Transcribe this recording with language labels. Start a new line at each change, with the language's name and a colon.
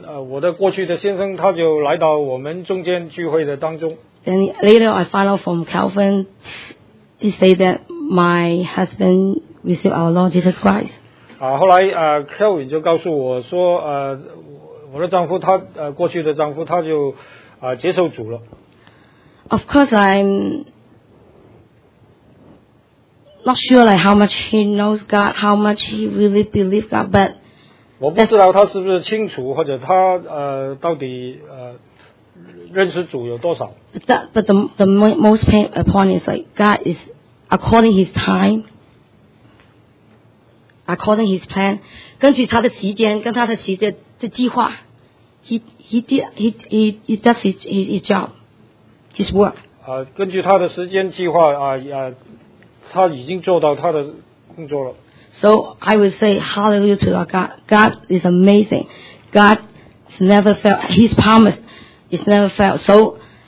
Chinese: 我的过去的先生他就来到我们中间聚会的当中。
English: Then later I found out from Calvin, he said that my husband received our Lord Jesus Christ.
Chinese: 后来Calvin 就告诉我说我的丈夫他过去的丈夫他就接受主了。
English: Of course I'm not sure like how much he knows God, how much he really believes God, but
Chinese: 我不知道他是不是清楚或者他到底认识主有多少。
English: But, that, but the most point is like God is according his time, according his plan,
Chinese: 根据他的时间跟他的时间的计划。
English: He does his job, his work.
Chinese: 根据他的时间计划他已经做到他的工作了。
English: So I would say hallelujah to God. God is amazing. God has never failed. His promise is never failed. So,